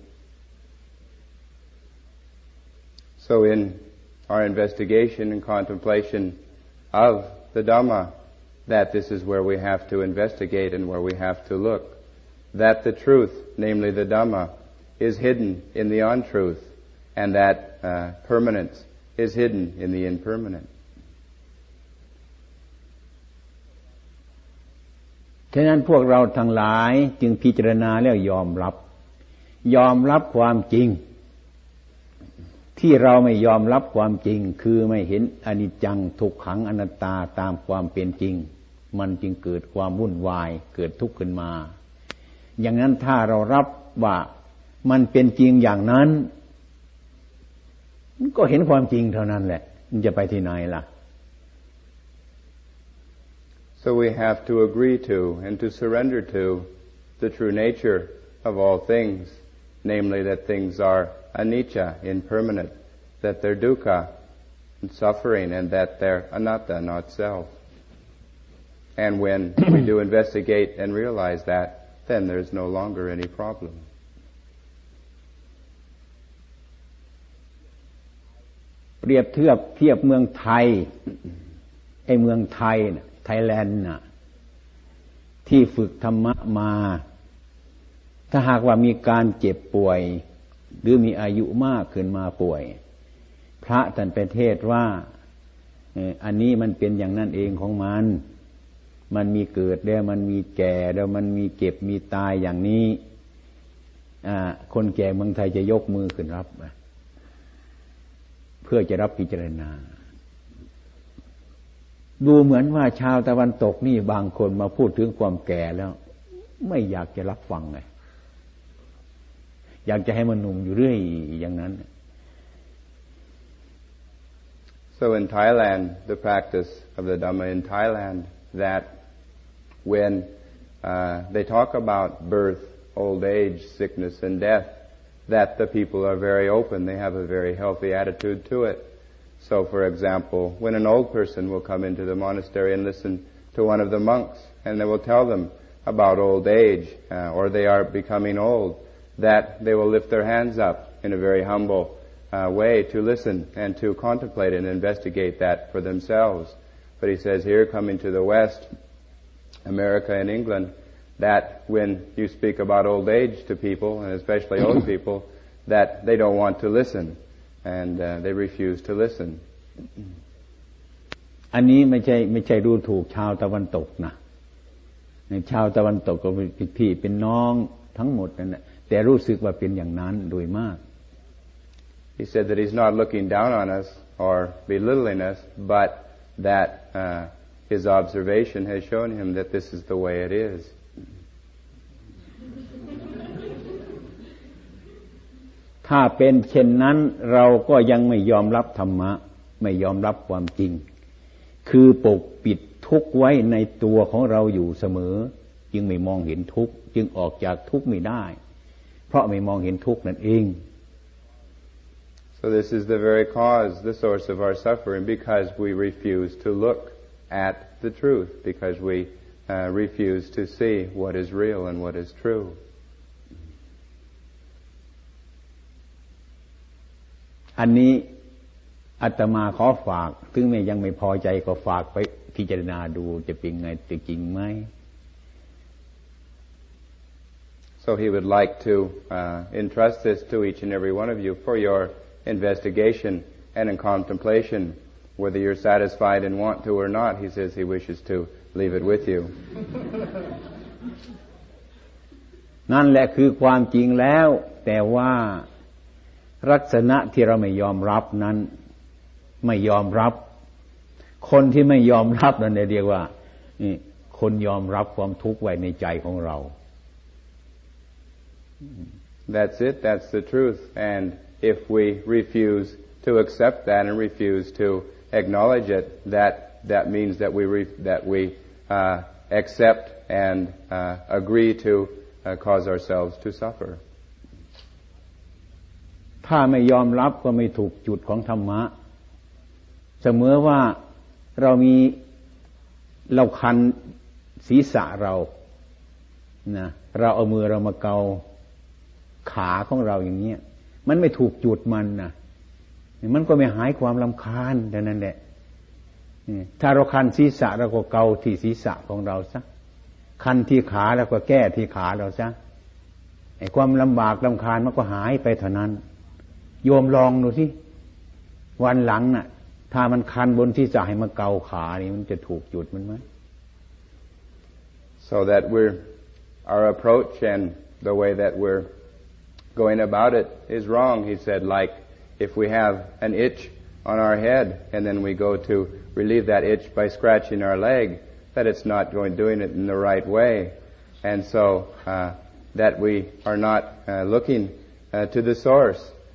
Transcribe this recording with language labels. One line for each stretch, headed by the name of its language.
English: So in our investigation and contemplation of the Dhamma that this is where we have to investigate and where we have to look that the truth namely the Dhamma is hidden in the untruth and that permanence is hidden in the impermanent
Thai: ฉะนั้นพวกเราทั้งหลายจึงพิจารณาแล้วยอมรับความจริงที่เราไม่ยอมรับความจริงคือไม่เห็นอนิจจังทุกขังอนัตตาตามความเป็นจริงมันจึงเกิดความวุ่นวายเกิดทุกข์ขึ้นมาอย่างนั้นถ้าเรารับว่ามันเป็นจริงอย่างนั้นก็เห็นความจริงเท่านั้นแหละมันจะไปที่ไหนล่ะ
English: So we have to agree to and to surrender to the true nature of all things namely that things are anicca impermanent that they're dukkha and suffering and that they're anatta not self and when we do investigate and realize that then there's no longer any problem
Thai: เปรียบเทียบเทียบเมืองไทยไอ้เมืองไทยน่ะไทยแลนด์น่ะที่ฝึกธรรมะมา ถ้าหากว่ามีการเจ็บป่วยหรือมีอายุมากขึ้นมาป่วยพระท่านไปเทศว่าอันนี้มันเป็นอย่างนั้นเองของมันมันมีเกิดแล้วมันมีแก่แล้วมันมีเก็บมีตายอย่างนี้คนแก่เมืองไทยจะยกมือขึ้นรับเพื่อจะรับพิจารณา ดูเหมือนว่าชาวตะวันตกนี่บางคนมาพูดถึงความแก่แล้วไม่อยากจะรับฟังไงอยากจะให้มันหนุ่มอยู่เรื่อยอย่างนั้น
English: So in Thailand the practice of the Dhamma in Thailand that when they talk about birth old age sickness and deaththat the people are very open, they have a very healthy attitude to it. So, for example, when an old person will come into the monastery and listen to one of the monks, and they will tell them about old age, or they are becoming old, that they will lift their hands up in a very humble way to listen and to contemplate and investigate that for themselves. But he says, here coming to the West, America and England,that when you speak about old age to people, and especially old people, that they don't want to listen, and they refuse to listen.
Thai: อันนี้ไม่ใช่ดูถูกชาวตะวันตกนะชาวตะวันตกก็เป็นพี่เป็นน้องทั้งหมดนั่นแหละแต่รู้สึกว่าเป็นอย่างนั้นโดยมาก
English: He said that he's not looking down on us or belittling us, but that his observation has shown him that this is the way it is.
Thai: ถ้าเป็นเช่นนั้นเราก็ยังไม่ยอมรับธรรมะไม่ยอมรับความจริงคือปกปิดทุกข์ไว้ในตัวของเราอยู่เสมอจึงไม่มองเห็นทุกข์จึงออกจากทุกข์ไม่ได้เพราะไม่มองเห็นทุกข์นั่นเอง
English: So this is the very cause the source of our suffering because we refuse to look at the truth because we refuse to see what is real and what is true
Thai: อันนี้อาตมาขอฝากถึงแม้ยังไม่พอใจก็ฝากไปพิจารณาดูจะเป็นไงจริงไหม
English: So he would like to entrust this to each and every one of you for your investigation and in contemplation whether you're satisfied and want to or not he says he wishes to leave it with you
Thai: นั่นแหละคือความจริงแล้วแต่ว่าลักษณะที่เราไม่ยอมรับนั้นไม่ยอมรับคนที่ไม่ยอมรับนั้นเรียกว่าคนยอมรับความทุกข์ไว้ในใจของเรา
English: That's it. That's the truth. And if we refuse to accept that and refuse to acknowledge it, that that means that we accept and agree to cause ourselves to suffer.
Thai: ถ้าไม่ยอมรับก็ไม่ถูกจุดของธรรมะเสมอว่าเรามีเราคันศีรษะเรานะเราเอามือเรามาเกาขาของเราอย่างเงี้ยมันไม่ถูกจุดมันนะมันก็ไม่หายความรำคาญดังนั้นแหละ ถ้าเราคันศีรษะเราก็เกาที่ศีรษะของเราซะคันที่ขาเราก็แก้ที่ขาเราซะไอ้ความลำบากรำคาญมันก็หายไปเท่านั้นโยมลองดูสิวันหลังน่ะถ้ามันคันบนที่จะให้มาเกาขานี่มันจะถูกจุดมันไหม
English: So that we're our approach and the way that we're going about it is wrong, he said. Like if we have an itch on our head and then we go to relieve that itch by scratching our leg, that it's not doing it in the right way, and so that we are not looking to the source.